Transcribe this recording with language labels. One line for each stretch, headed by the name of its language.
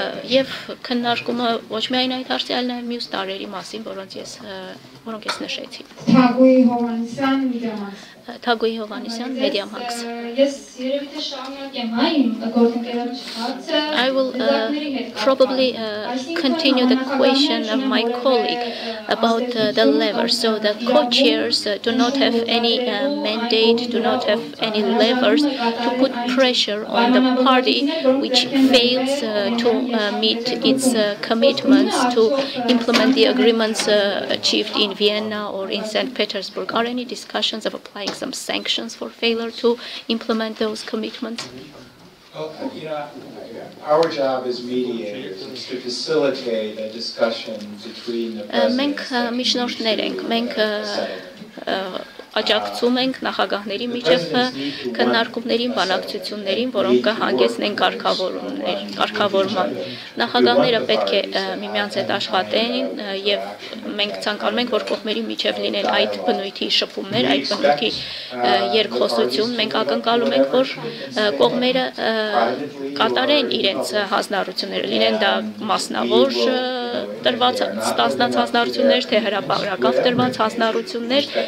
Armenian: և քննարկումը ոչ միայն այդ հարցի, այլ նաև մյուս տարերի մասին, որոնք ես նշեցի։ Թագուհի Հովանիսյան, Media Max. Ես երևի շարունակ եմ այն գործընկերոջ հարցը.
English: I will probably continue the question of my colleague about the levers. So the co-chairs do not have any mandate, do not have any levers to put pressure on the party which fails to meet its commitments to implement the agreements achieved in Vienna or in St. Petersburg. Are any discussions of applying some sanctions for failure to implement those commitments? Our job as mediators is to facilitate a discussion between the presidents.
Armenian: Աջակցում ենք նախագահների միջև քննարկումներին, բանակցություններին, որոնք կհանգեցնեն կարգավորման։ Նախագահները պետք է միմյանց հետ աշխատեն, և մենք ցանկանում ենք, որ կողմերի միջև լինեն այդ բնույթի շփումներ, այդ բնույթի երկխոսություն։ Մենք ակնկալում ենք, որ կողմերը կատարեն իրենց հանձնառությունները, լինեն դա մասնավոր տրված ստանձնած հանձնառություններ, թե հրապարակավ տրված հանձնառություններ,